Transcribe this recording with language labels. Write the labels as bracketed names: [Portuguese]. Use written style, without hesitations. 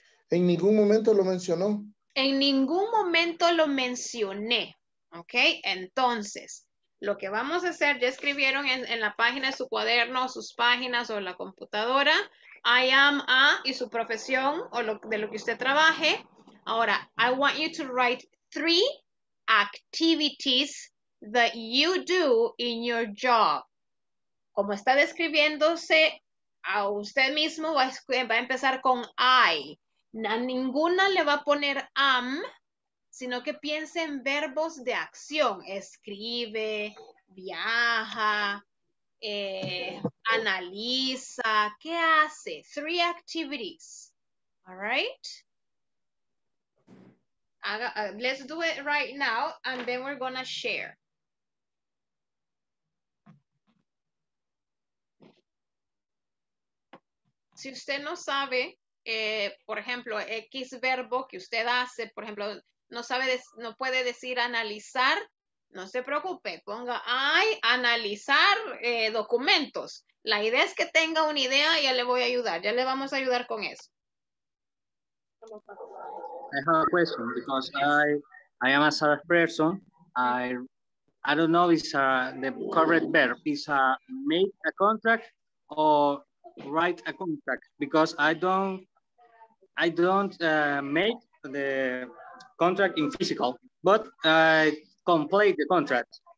[Spanish] En ningún momento lo mencionó. En ningún momento lo mencioné. Ok, entonces, lo que vamos a hacer, ya escribieron en la página de su cuaderno, sus páginas o la computadora, [English] I am a, [Spanish] y su profesión o lo, de lo que usted trabaje. [English] Ahora, I want you to write three activities that you do in your job. [Spanish] Como está describiéndose a usted mismo, va a empezar con I. A ninguna le va a poner am, sino que piense en verbos de acción. Escribe, viaja, analiza. ¿Qué hace? [English] Three activities. All right? Let's do it right now, and then we're gonna share. [Spanish] Si usted no sabe, por ejemplo, X verbo que usted hace, por ejemplo, no puede decir analizar, no se preocupe, ponga I, analizar documentos. La idea es que tenga una idea y ya le voy a ayudar, ya le vamos a ayudar con eso. [English] I have a question because I am a salesperson. Person. I don't know if the correct verb is make a contract or write a contract because I don't make the contract in physical, but I complete the contract.